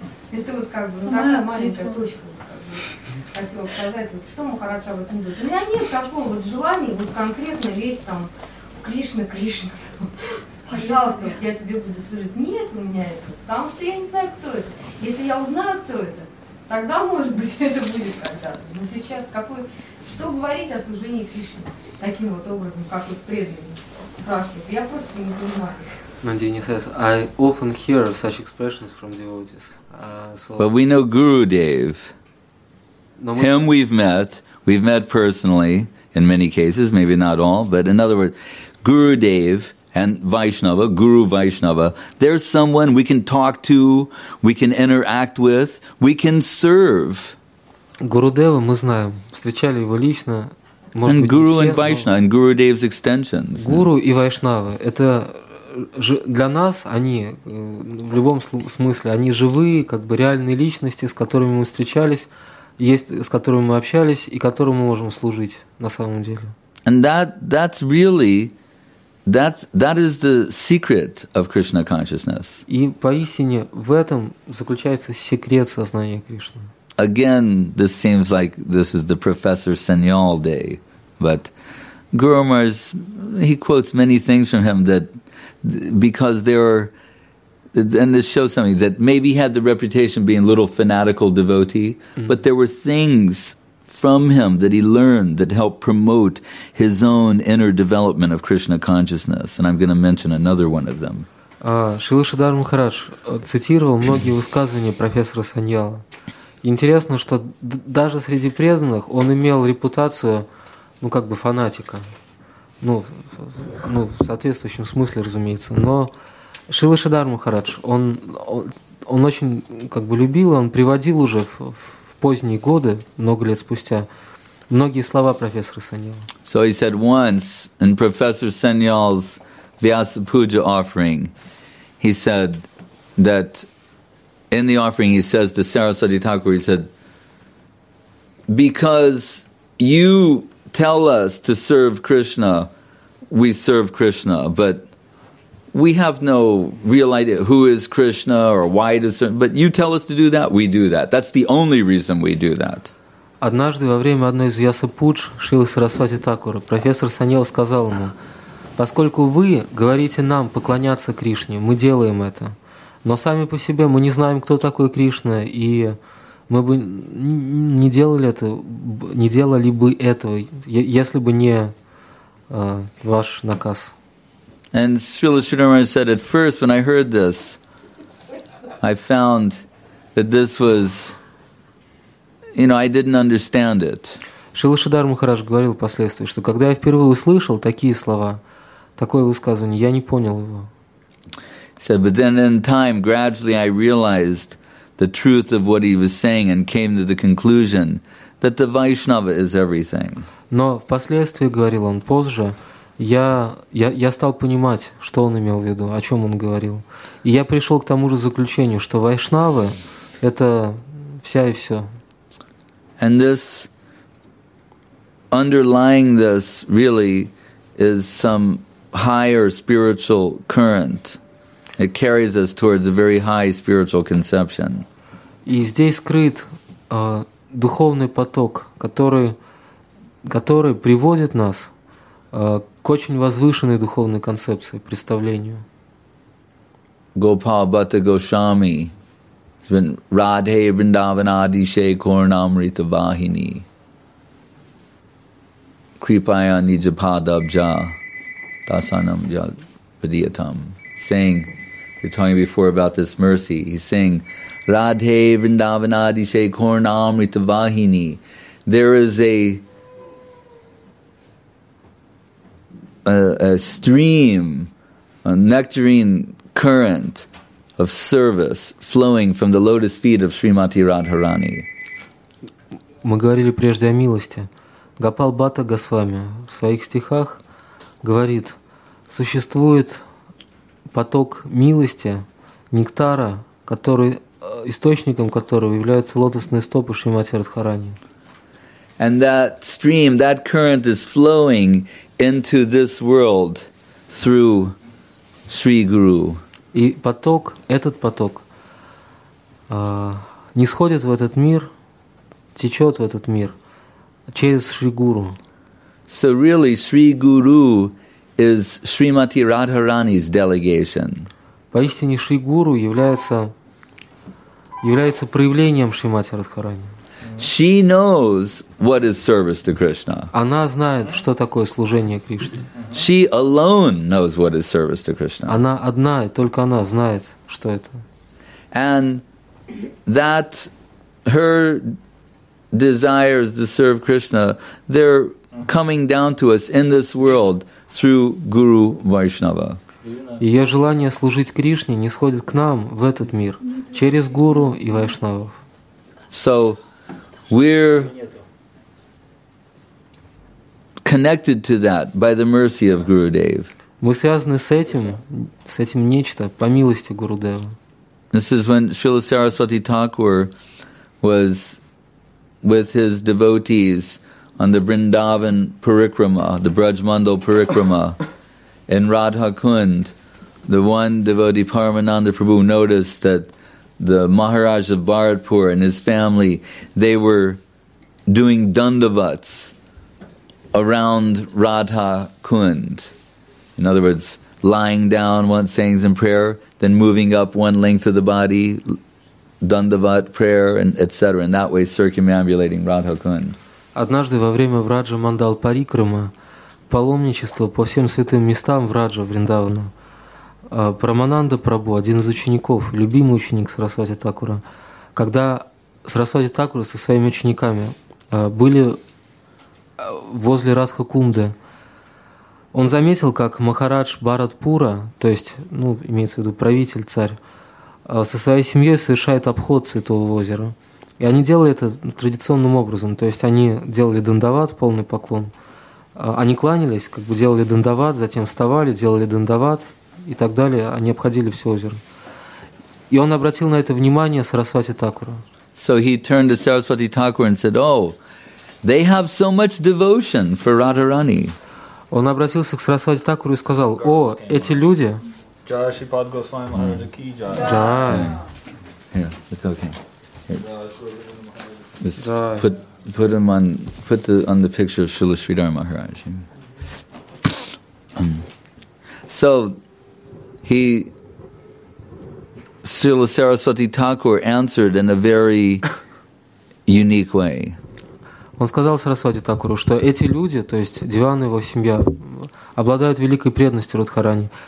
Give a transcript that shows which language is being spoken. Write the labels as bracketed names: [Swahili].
[Russian] Это вот как бы такая маленькая точка. Хотела сказать, вот что Махарадж об этом думает. У меня нет такого вот желания вот конкретно лезть там Кришна, Кришна, там, пожалуйста, вот я тебе буду служить. Нет у меня этого, потому что я не знаю, кто это. Если я узнаю, кто это, тогда, может быть, это будет когда-то. Но сейчас какой, что говорить о служении Кришне таким вот образом, как вот преданный спрашивает. Я просто не понимаю. [English] Nandini says, I often hear such expressions from devotees. But we know Gurudev. Him we've met personally in many cases, maybe not all, but in other words, Gurudev and Vaishnava, Guru Vaishnava, there's someone we can talk to, we can interact with, we can serve. [Russian] Gurudeva мы знаем, встречали его лично. [English] And Guru and Vaishnava, and Gurudev's extensions. [Russian] Guru и Vaishnava, это для нас они, в любом смысле, они живые, как бы реальные личности, с которыми мы встречались, есть, с которыми мы общались и которым мы можем служить на самом деле. [English] And that's really that is the secret of Krishna consciousness. [Russian] И поистине в этом заключается секрет сознания Кришны. [English] Again, this seems like this is the Professor Sanyal day, but Guru Maharaj, he quotes many things from him that because there are, and this shows something, that maybe he had the reputation of being a little fanatical devotee, but there were things from him that he learned that helped promote his own inner development of Krishna consciousness. And I'm going to mention another one of them. [Russian] Шрила Шридхар Махарадж цитировал многие высказывания профессора Саньяла. Интересно, что даже среди преданных он имел репутацию, ну, как бы фанатика. Ну, в соответствующем смысле, разумеется, но Шрила Шридхар Махарадж, он очень как бы любил, он приводил уже в поздние годы, много лет спустя, многие слова профессора Саньяла. [English] So he said once in Professor Sanyal's Vyasa Puja offering, he said that in the offering he says to Sarasvati Thakur, he said, because you tell us to serve Krishna, we serve Krishna, but we have no real idea who is Krishna or why does it, but you tell us to do that, we do that. That's the only reason we do that. [Russian] Однажды во время одной из ясапудж Шрилы Сарасвати Такура профессор Саньял сказал ему: поскольку вы говорите нам поклоняться Кришне, мы делаем это, но сами по себе мы не знаем, кто такой Кришна, и мы бы не делали это, не делали бы этого, если бы не ваш наказ. [English] And Srila Sridharmaraj said, at first when I heard this, I found that this was, you know, I didn't understand it. [Russian] Шрила Шридхар Махарадж говорил впоследствии, что когда я впервые услышал такие слова, такое высказывание, я не понял его. [English] He said, but then in time, gradually I realized the truth of what he was saying and came to the conclusion that the Vaishnava is everything. [Russian] Но впоследствии, говорил он позже, я стал понимать, что он имел в виду, о чем он говорил. И я пришел к тому же заключению, что вайшнавы – это вся и все. [English] And this, underlying this, really is some higher spiritual current. It carries us towards a very high spiritual conception. [Russian] И здесь скрыт духовный поток, который приводит нас к очень возвышенной духовной концепции, представлению. [English] Gopal Bhatta Goswami, [Sanskrit] Radhe Vrindavana Adishe Koranamrita Vahini, Kripaya Nijapadabja Dasanam Jadvidyatam, [English] saying, we're talking before about this mercy, he's saying, [Sanskrit] Radhe Vrindavana Adishe Koranamrita Vahini, [English] there is a stream, a nectarine current of service flowing from the lotus feet of Srimati Radharani. [Russian] Мы говорили прежде о милости. Гопал Бхатта Госвами в своих стихах говорит, существует поток милости, нектара, который источником которого являются лотосные стопы Шримати Радхарани. [English] And that stream, that current is flowing into this world through Sri Guru. [Russian] И поток, этот поток, нисходит в этот мир, течет в этот мир через Шри Гуру. [English] So really, Sri Guru is Srimati Radharani's delegation. [Russian] Поистине, Шри Гуру является проявлением Шримати Радхарани. [English] She knows what is service to Krishna. [Russian] Она знает, что такое служение Кришне. [English] She alone knows what is service to Krishna. [Russian] Она одна, и только она знает, что это. [English] And that her desires to serve Krishna, they're coming down to us in this world through Guru Vaishnava. [Russian] Ее желание служить Кришне нисходит к нам в этот мир через Гуру и Вайшнавов. [English] So we're connected to that by the mercy of Gurudev. [Russian] Мы связаны с этим нечто по милости Гурудева. [English] This is when Srila Saraswati Thakur was with his devotees on the Vrindavan Parikrama, the Brajmandal Parikrama, in Radha Kund. The one devotee, Paramananda Prabhu, noticed that the Maharaj of Bharatpur and his family, they were doing dandavats around Radha Kund. In other words, lying down once, saying some prayer, then moving up one length of the body, dandavat prayer, and etc. In that way, circumambulating Radha Kund. [Russian] Однажды во время Враджа Мандал Парикрама паломничество по всем святым местам Враджа Вриндавана, Прамананда Прабу, один из учеников, любимый ученик Сарасвати Такура, когда Сарасвати Такура со своими учениками были возле Радха Кунды, он заметил, как Махарадж Бхаратпура, то есть, ну, имеется в виду правитель, царь, со своей семьей совершает обход Святого Озера. И они делали это традиционным образом, то есть они делали дандават, полный поклон, они кланялись, как бы делали дандават, затем вставали, делали дандават и так далее, они обходили все озеро. И он обратил на это внимание Сарасвати Такура. [English] So he turned to Saraswati Thakur and said, oh, they have so much devotion for Radharani. [Russian] Он обратился к Сарасвати Такуру и сказал, о, эти люди... Джай Шипад Госвами Махараджа Ки Джай. Джай. [English] Yeah, it's okay. Here. Just put him on on the picture of Srila Sridhar Maharaj. So he Srila Saraswati Thakur answered in a very unique way. [Russian] Он сказал Сарасвати Такуру, что эти люди, то есть Диван и его семья, обладают великой преданностью Радхарани.